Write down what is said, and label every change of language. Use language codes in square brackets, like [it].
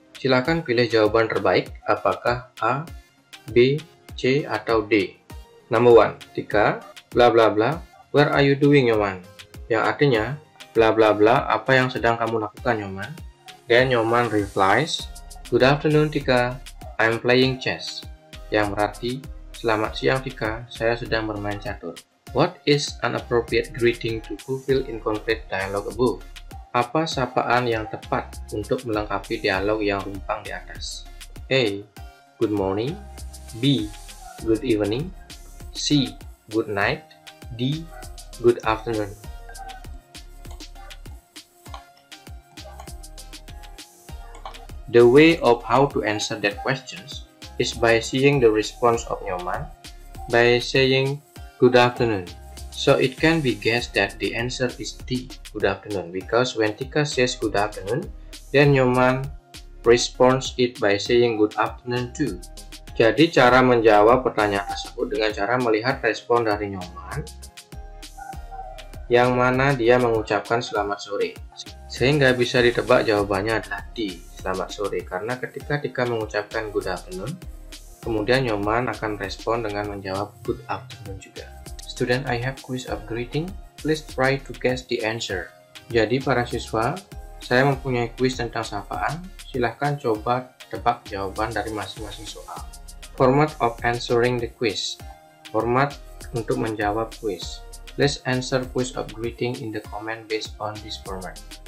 [id] Silakan pilih jawaban terbaik, apakah A, B, C, atau D. [en] Number 1, Tika, bla bla bla, where are you doing, Nyoman? [id] Yang artinya, bla bla bla, apa yang sedang kamu lakukan, Nyoman? [en] Then Nyoman replies, good afternoon, Tika, I'm playing chess. [id] Yang berarti, selamat siang Tika, saya sedang bermain catur. [en] What is an appropriate greeting to fulfill incomplete dialogue above? [id] Apa sapaan yang tepat untuk melengkapi dialog yang rumpang di atas? [en] A. Good morning. B. Good evening. C. Good night. D. Good afternoon. The way of how to answer that questions is by seeing the response of Nyoman by saying good afternoon. So it can be guessed that the answer is D, good afternoon, because when Tika says good afternoon, then Nyoman responds it by saying good afternoon too. [id] Jadi cara menjawab pertanyaan tersebut dengan cara melihat respon dari Nyoman yang mana dia mengucapkan selamat sore, sehingga bisa ditebak jawabannya adalah D, selamat sore, karena ketika Tika mengucapkan good afternoon, kemudian Nyoman akan respon dengan menjawab good afternoon juga. [en] Student, I have quiz of greeting. Please try to guess the answer. [id] Jadi para siswa, saya mempunyai quiz tentang sapaan. Silahkan coba tebak jawaban dari masing-masing soal. [en] Format of answering the quiz. [id] Format untuk menjawab quiz. [en] Please answer quiz of greeting in the comment based on this format.